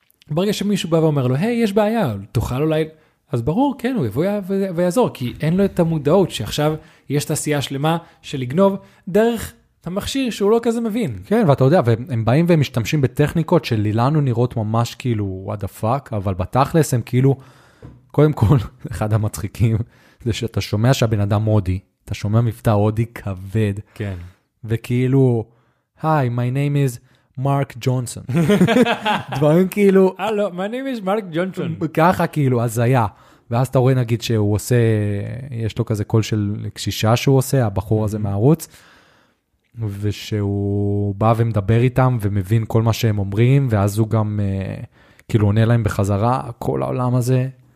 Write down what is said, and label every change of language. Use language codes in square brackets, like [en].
[he] ברגע שמישהו בא ואומר לו, היי, יש בעיה, תוכל אולי... אז ברור, כן, הוא יבוא ויעזור, כי אין לו את המודעות שעכשיו יש תעשייה שלמה של לגנוב דרך המכשיר שהוא לא כזה מבין. כן, ואתה יודע, והם באים והם משתמשים בטכניקות שלילנו נראות ממש כאילו, [en] what the fuck, [he] אבל בתכלס הם כאילו, קודם כל, אחד המצחיקים, זה שאתה שומע שהבן אדם מודי, אתה שומע מבטא הודי כבד. כן. וכאילו, [en] hi, my name is Mark Johnson. [he] דברים כאילו, הלו, [en] my name is Mark Johnson. [he] ככה כאילו, אז היה. ואז אתה רואה נגיד שהוא עושה, יש לו כזה קול של קשישה שהוא עושה, הבחור הזה מהערוץ, ושהוא בא ומדבר איתם ומבין כל מה שהם אומרים, ואז הוא גם כאילו עונה להם בחזרה, כל העולם הזה.